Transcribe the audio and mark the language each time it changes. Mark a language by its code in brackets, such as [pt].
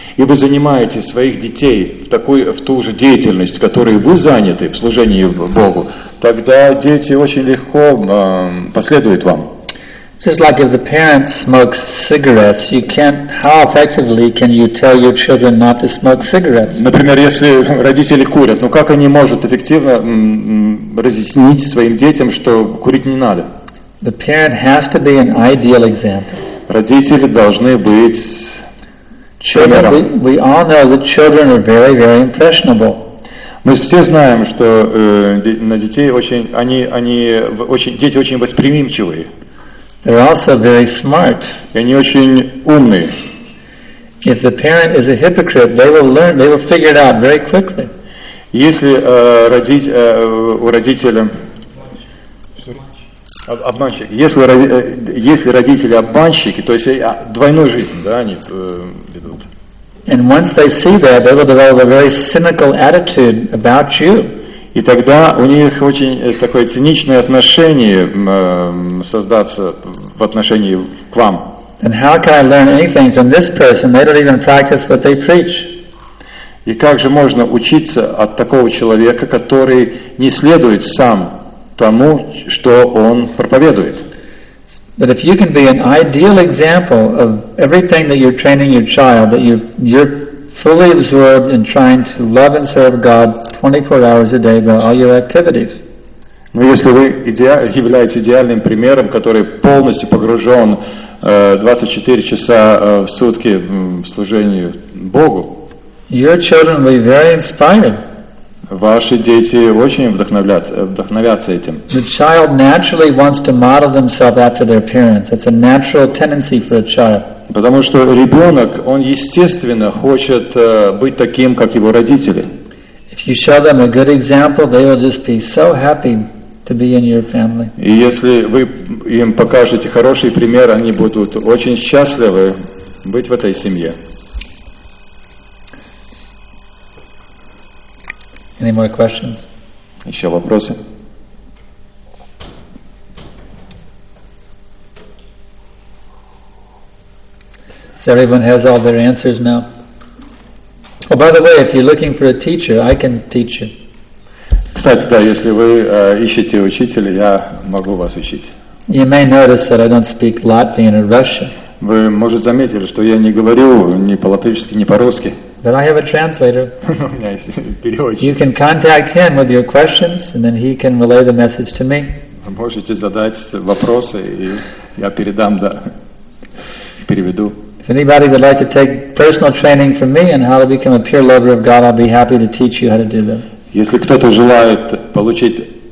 [ru] И вы занимаете своих детей в ту же деятельность, которой вы заняты в служении Богу, тогда дети очень легко последуют вам. [en] Just like if the parent smokes cigarettes, you can't. How effectively can you tell your children not to smoke cigarettes? [ru] Например, если родители курят, как они могут эффективно разъяснить своим детям, что курить не надо? [en] The parent has to be an ideal example. [ru] Родители должны быть примером. [en] We all know that children are very, very impressionable. [ru] Мы все знаем, что на детей дети очень восприимчивые. [en] They're also very smart. [ru] И они очень умные. [en] If the parent is a hypocrite, they will figure it out very quickly. [ru] Если у родителя обманщик. Если родители обманщики, то есть двойную жизнь, да, они ведут. [en] And once they see that, they will develop a very cynical attitude about you. [ru] И тогда у них очень такое циничное отношение создаться в отношении к вам. [en] And how can I learn anything from this person? They don't even practice what they preach. [ru] И как же можно учиться от такого человека, который не следует сам тому, что он проповедует? [en] But if you can be an ideal example of everything that you're training your child, that you're fully absorbed in trying to love and serve God 24 hours a day by all your activities. [ru] Но если вы являетесь идеальным примером, который полностью погружен 24 часа в сутки в служение Богу, [en] your children will be very inspired. [ru] Ваши дети очень вдохновятся этим. [en] The child naturally wants to model themselves after their parents. It's a natural tendency for a child. [ru] Потому что ребенок, он естественно хочет быть таким, как его родители. [en] If you show them a good example, they will just be so happy to be in your family. [ru] И если вы им покажете хороший пример, они будут очень счастливы быть в этой семье. [en] Any more questions? [ru] Еще вопросы? [en] So everyone has all their answers now. Oh, by the way, if you're looking for a teacher, I can teach you. [ru] Кстати, да, если вы ищете учителя, я могу вас учить. [en] You may notice that I don't speak Latvian or Russian. [ru] Вы, может, заметили, что я не говорю ни по-латышски, ни по-русски. [en] But I have a translator. You can contact him with your questions, and then he can relay the message to me. [ru] Вы можете задать вопросы, и я передам, да, переведу. [en] If anybody would like to take personal training from me on how to become a pure lover of God, I'll be happy to teach you how to do that. [ru] Если кто-то желает получить